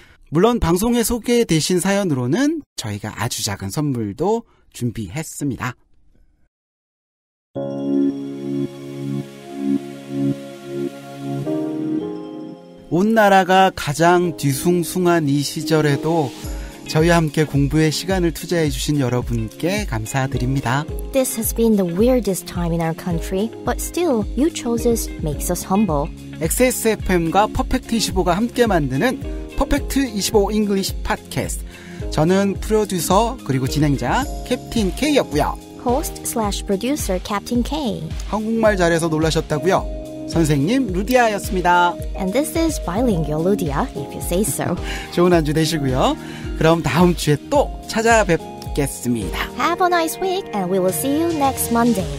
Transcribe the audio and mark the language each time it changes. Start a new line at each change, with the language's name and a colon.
Korean: 물론 방송에 소개되신 사연으로는 저희가 아주 작은 선물도 준비했습니다. 온 나라가 가장 뒤숭숭한 이 시절에도 저희와 함께 공부에 시간을 투자해 주신 여러분께 감사드립니다.
English: This has been the weirdest time in our country, but still, you chose us makes us humble.
Korean: XSFM과 퍼펙트 25가 함께 만드는 퍼펙트 25 English Podcast. 저는 프로듀서 그리고 진행자 캡틴 K였고요.
English: Host/producer Captain K.
Korean: 한국말 잘해서 놀라셨다고요. 선생님 루디아였습니다.
English: And this is bilingual Ludia, if you say so.
Korean: 좋은 한주 되시고요. 그럼 다음 주에 또 찾아뵙겠습니다.
English: Have a nice week and we will see you next Monday.